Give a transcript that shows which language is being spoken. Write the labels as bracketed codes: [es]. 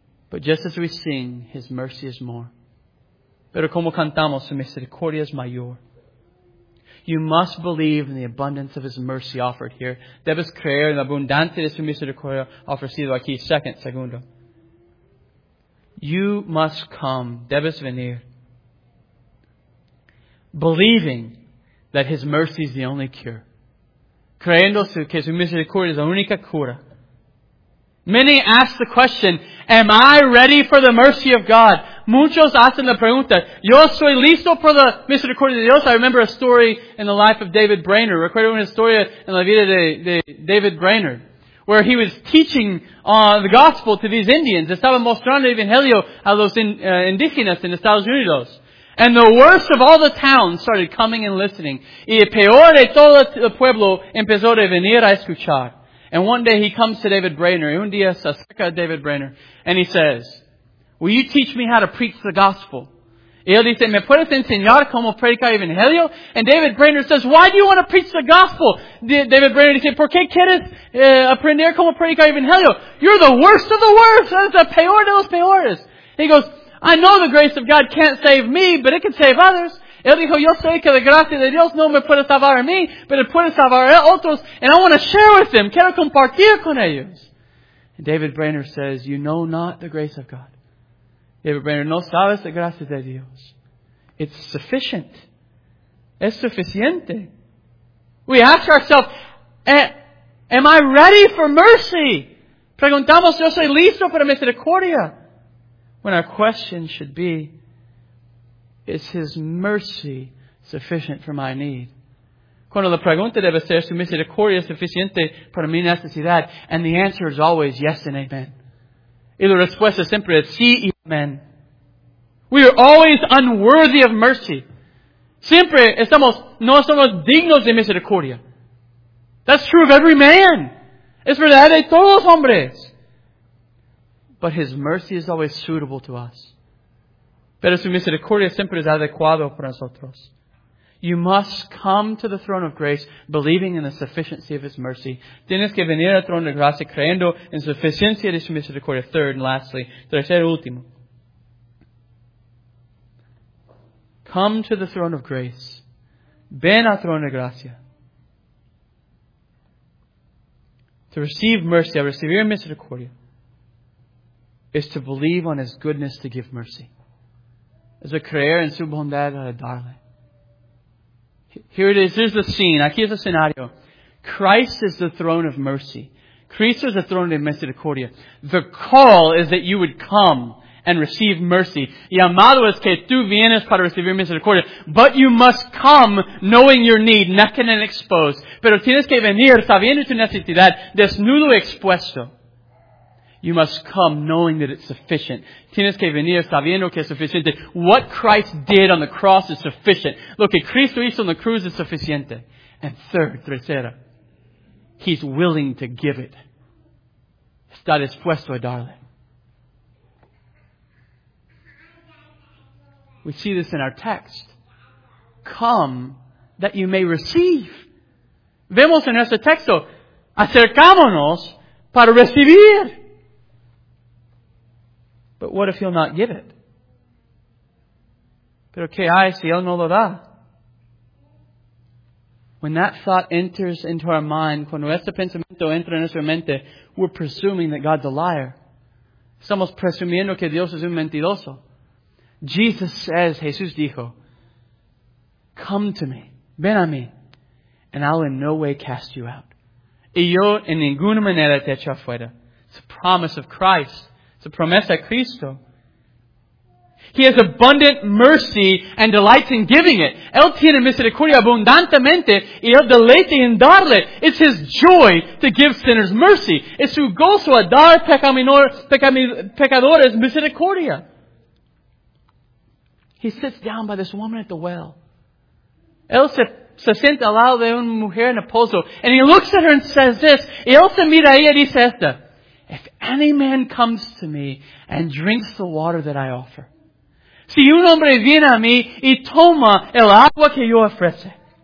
[en] But just as we sing, His mercy is more. [es] Pero como cantamos, su misericordia es mayor. [en] You must believe in the abundance of His mercy offered here. [es] Debes creer en la abundancia de su misericordia ofrecido aquí. [en] Segundo. You must come. [es] Debes venir. [en] Believing that His mercy is the only cure. [es] Creyendo que su misericordia es la única cura. [en] Many ask the question, am I ready for the mercy of God? [es] Muchos hacen la pregunta, ¿yo soy listo por la misericordia de Dios? [en] I remember a story in the life of David Brainerd. [es] Recuerdo una historia en la vida de David Brainerd, [en] where he was teaching the gospel to these Indians. [es] Estaba mostrando el Evangelio a los indígenas en Estados Unidos. [en] And the worst of all the towns started coming and listening. [es] Y el peor de todo el pueblo empezó a venir a escuchar. [en] And one day he comes to David Brainerd, [es] un día se acerca a David Brainerd, [en] and he says, will you teach me how to preach the gospel? [es] Y él dice, ¿me puedes enseñar cómo predicar el evangelio? [en] And David Brainerd says, why do you want to preach the gospel? [es] David Brainerd dice, ¿por qué quieres aprender cómo predicar el evangelio? [en] You're the worst of the worst. That's the [es] peor de los peores. [en] He goes, I know the grace of God can't save me, but it can save others. [es] Él dijo, yo sé que la gracia de Dios no me puede salvar a mí, pero puede salvar a otros, [en] and I want to share with them. [es] Quiero compartir con ellos. [en] And David Brainerd says, you know not the grace of God. [es] David Brainerd, no sabes la gracia de Dios. [en] It's sufficient. [es] Es suficiente. [en] We ask ourselves, am I ready for mercy? [es] Preguntamos, yo soy listo para misericordia. [en] When our question should be, is His mercy sufficient for my need? [es] Cuando la pregunta debe ser, ¿su misericordia es suficiente para mi necesidad? [en] And the answer is always yes and amen. [es] Y la respuesta siempre es sí y amen. [en] We are always unworthy of mercy. [es] Siempre estamos, no somos dignos de misericordia. [en] That's true of every man. [es] Es verdad de todos hombres. [en] But His mercy is always suitable to us. [es] Pero su misericordia siempre es adecuado para nosotros. [en] You must come to the throne of grace believing in the sufficiency of His mercy. [es] Tienes que venir al trono de gracia creyendo en la suficiencia de su misericordia. [en] Third and lastly, [es] tercer último. [en] Come to the throne of grace. [es] Ven al trono de gracia. [en] To receive mercy, [es] a recibir misericordia, [en] is to believe on His goodness to give mercy. [es] Es a creer en su bondad a darle. [en] Here it is. Here's the scene. [es] Aquí es el escenario. [en] Christ is the throne of mercy. [es] Cristo es el trono de misericordia. [en] The call is that you would come and receive mercy. [es] Llamado es que tú vienes para recibir misericordia. [en] But you must come knowing your need, naked and exposed. [es] Pero tienes que venir sabiendo tu necesidad, desnudo y expuesto. [en] You must come knowing that it's sufficient. [es] Tienes que venir sabiendo que es suficiente. [en] What Christ did on the cross is sufficient. [es] Lo que Cristo hizo en la cruz es suficiente. [en] And third, tercera, He's willing to give it. [es] Está dispuesto a darle. [en] We see this in our text. Come that you may receive. [es] Vemos en nuestro texto, acercámonos para recibir. [en] But what if He'll not give it? [es] Pero qué hay si Él no lo da? [en] When that thought enters into our mind, [es] cuando este pensamiento entra en nuestra mente, [en] we're presuming that God's a liar. [es] Estamos presumiendo que Dios es un mentiroso. [en] Jesus says, [es] Jesús dijo, [en] come to me, [es] ven a mí, [en] and I'll in no way cast you out. [es] Y yo en ninguna manera te echo afuera. [en] It's a promise of Christ. It's a [es] promesa de Cristo. [en] He has abundant mercy and delights in giving it. [es] Él tiene misericordia abundantemente y él deleita en darle. [en] It's His joy to give sinners mercy. [es] Es su gozo a dar pecadores misericordia. [en] He sits down by this woman at the well. [es] Él se sienta al lado de una mujer en el pozo. [en] And he looks at her and says this. [es] Y él se mira a ella y dice esta. [en] If any man comes to me and drinks the water that I offer. [es] Si un hombre viene a mí y toma el agua que yo ofrece.